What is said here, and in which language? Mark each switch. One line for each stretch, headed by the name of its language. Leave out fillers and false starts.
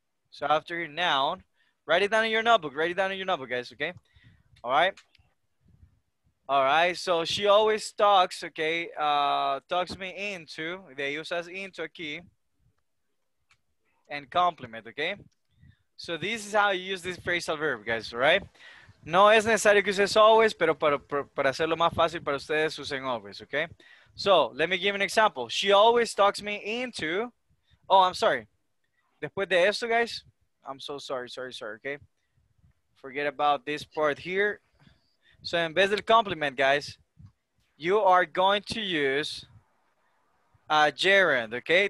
English: So after your noun, write it down in your notebook. Write it down in your notebook, guys, okay? All right? All right, so she always talks, okay? Talks me into, they use as into aquí, and compliment, okay? So this is how you use this phrasal verb, guys, all right?
Spanish: No es necesario que uses always, pero para hacerlo más fácil para ustedes, usen always, okay?
English: So let me give an example. She always talks me into, oh, I'm sorry.
Spanish: Después de esto,
English: guys, I'm so sorry, sorry, sorry, okay? Forget about this part here. So in
Spanish: vez del
English: compliment, guys, you are going to use a gerund, okay?